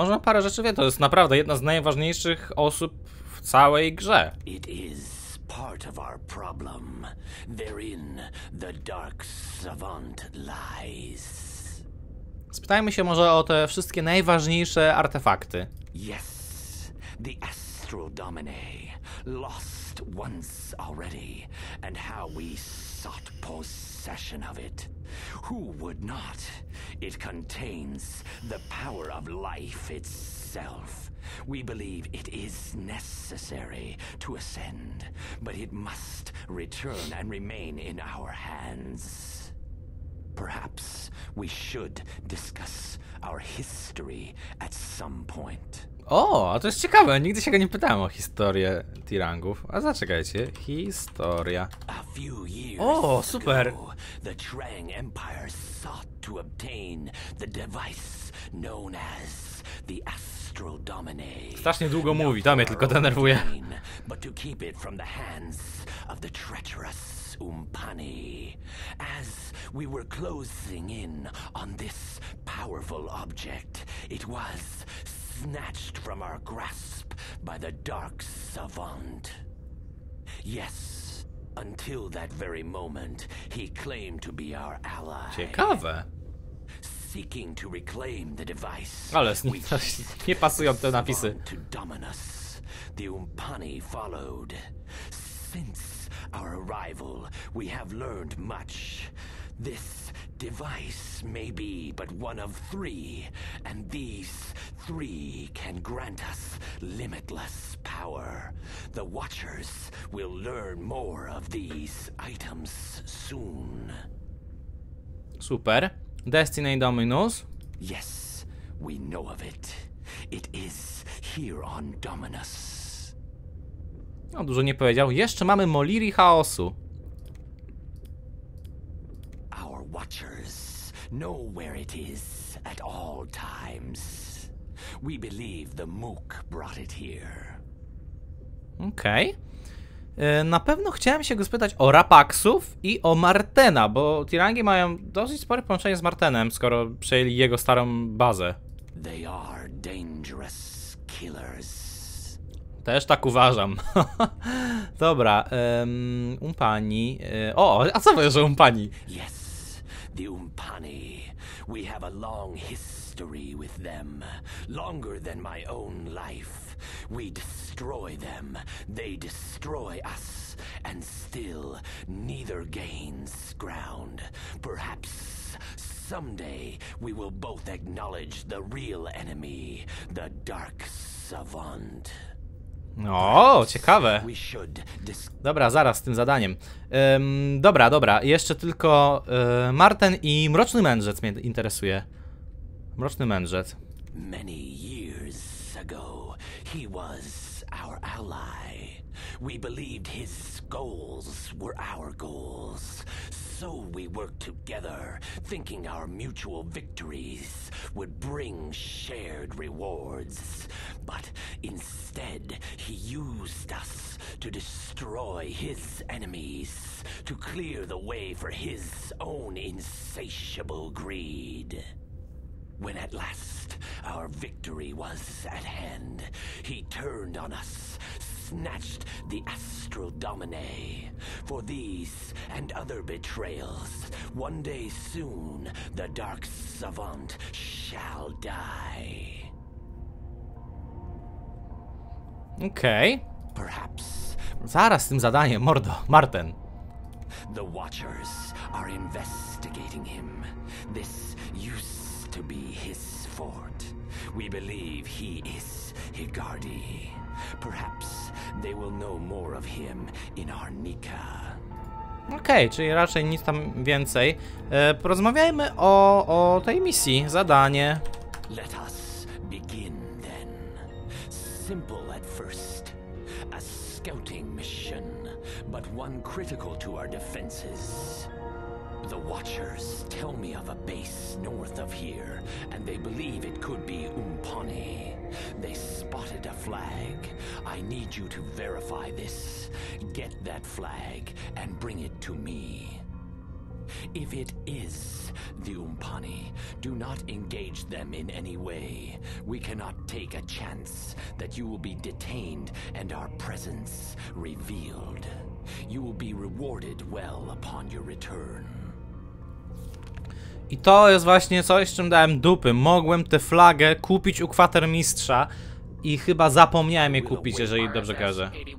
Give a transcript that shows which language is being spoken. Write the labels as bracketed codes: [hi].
[pl] Może o parę rzeczy wie, to jest naprawdę jedna z najważniejszych osób w całej grze. [en] It is. Part of our problem, therein the Dark Savant lies. [pl] Spytajmy się może o te wszystkie najważniejsze artefakty. [en] Yes, the Astral Domine, lost once already, and how we sought possession of it. Who would not? It contains the power of life itself. We believe it is necessary to ascend, but it must return and remain in our hands. Perhaps we should discuss our history at some point. [pl] O, a to jest ciekawe, nigdy się go nie pytałem o historię Tirangów. A zaczekajcie, historia. O, super! [en] The Trang Empire sought to obtain the device known as the Astral Domine. [pl] Strasznie długo mówi, to mnie tylko denerwuje. [en] But to keep it from the hands of the treacherous Umpani. As we were closing in on this powerful object, it was snatched from our grasp by the Dark Savant. Yes, until that very moment, he claimed to be our ally. [pl] Ciekawe. [en] Seeking to reclaim the device. [pl] Ale nie pasują te napisy. [en] To Dominus, the Umpani followed. Since our arrival, we have learned much. This device may be but one of three, and these three can grant us limitless power. The Watchers will learn more of these items soon. [pl] Super. Destiny Dominus? [en] Yes, we know of it. It is here on Dominus. [pl] No, dużo nie powiedział. Jeszcze mamy Moliri Chaosu. [en] Watchers know where it is at all times. We believe the Mook brought it here. Okej. [pl] Na pewno chciałem się go spytać o Rapaxów i o Martena, bo Tirangi mają dosyć spore połączenie z Martenem, skoro przejęli jego starą bazę. [en] They are dangerous killers. [pl] Też tak uważam. Dobra, Umpani. A co wiesz o Umpani? [en] Yes. The Umpani. We have a long history with them, longer than my own life. We destroy them, they destroy us, and still neither gains ground. Perhaps someday we will both acknowledge the real enemy, the Dark Savant. [pl] O, ciekawe. Dobra, zaraz z tym zadaniem. Dobra, jeszcze tylko Marten i Mroczny Mędrzec mnie interesuje. Mroczny Mędrzec. [en] Many years ago, he was our ally. We believed his goals were our goals. So we worked together, thinking our mutual victories would bring shared rewards. But instead, he used us to destroy his enemies, to clear the way for his own insatiable greed. When at last our victory was at hand, he turned on us, snatched the Astral Domine. For these and other betrayals, one day soon the Dark Savant shall die. Okay. Perhaps. [pl] Zaraz z tym zadaniem, mordo, Marten. [en] The Watchers are investigating him. This used to be his fort. We believe he is Higardi. Perhaps they will know more of him in Arnica. [pl] Okej, okay, czyli raczej nic tam więcej. Porozmawiajmy o tej misji, zadanie. [en] Let us begin then. Simple at first. A scouting mission, but one critical to our defenses. The Watchers tell me of a base north of here, and they believe it could be Umpani. They spotted a flag. I need you to verify this. Get that flag and bring it to me. If it is the Umpani, do not engage them in any way. We cannot take a chance that you will be detained and our presence revealed. You will be rewarded well upon your return. [pl] I to jest właśnie coś, czym dałem dupy. Mogłem tę flagę kupić u kwatermistrza i chyba zapomniałem je kupić, jeżeli dobrze kojarzę.